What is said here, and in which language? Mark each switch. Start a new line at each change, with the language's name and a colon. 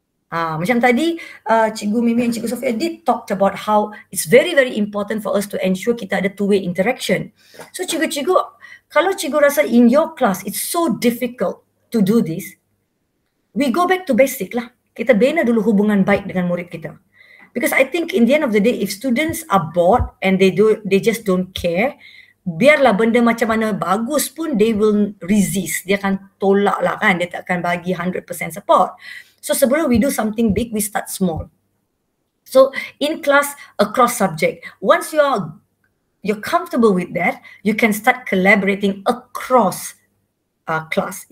Malay: Macam tadi
English: Cikgu Mimi and Cikgu Soffea did talked about how it's very, very important for us to ensure
Malay: kita ada
English: two-way interaction. So Cikgu-Cikgu,
Malay: kalau Cikgu rasa
English: in your class it's so difficult to do this, we go back to basic lah.
Malay: Kita bina dulu hubungan baik dengan murid kita.
English: Because I think in the end of the day, if students are bored and they just don't care,
Malay: biarlah benda macam mana bagus pun,
English: they will resist.
Malay: Dia akan tolak lah kan. Dia tak akan bagi 100% support.
English: So sebelum we do something big, we start small. So in class, across subject, once you're comfortable with that, you can start collaborating across class.